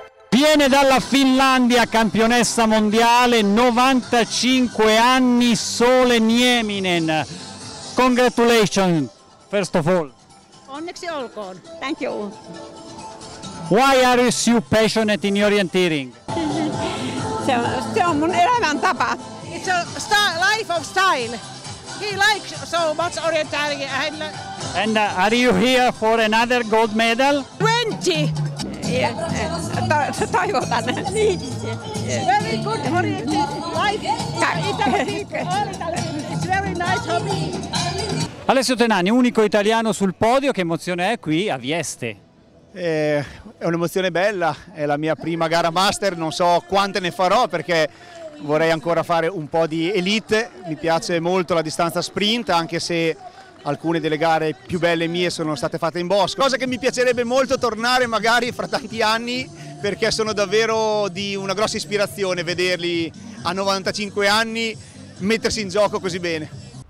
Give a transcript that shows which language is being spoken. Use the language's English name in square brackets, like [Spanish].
[Italian] Viene dalla Finlandia, campionessa mondiale, 95 anni, Sole Nieminen. [English] Congratulations, first of all. [Finnish] Onneksi olkoon. [English] Thank you. Why are you so passionate in orienteering? [Finnish] Se on mun elämäntapa. [English] It's a life of style. he likes so much orientation. And are you here for another gold medal? 20. [Finnish] Yeah. Toivotan. [English] Very good for it's very nice hobby. [Italian] Alessio Tenani, unico italiano sul podio, che emozione è qui a Vieste? È un'emozione bella, è la mia prima gara master, non so quante ne farò perché vorrei ancora fare un po' di elite, mi piace molto la distanza sprint, anche se alcune delle gare più belle mie sono state fatte in bosco, cosa che mi piacerebbe molto tornare magari fra tanti anni, perché sono davvero di una grossa ispirazione vederli a 95 anni mettersi in gioco così bene.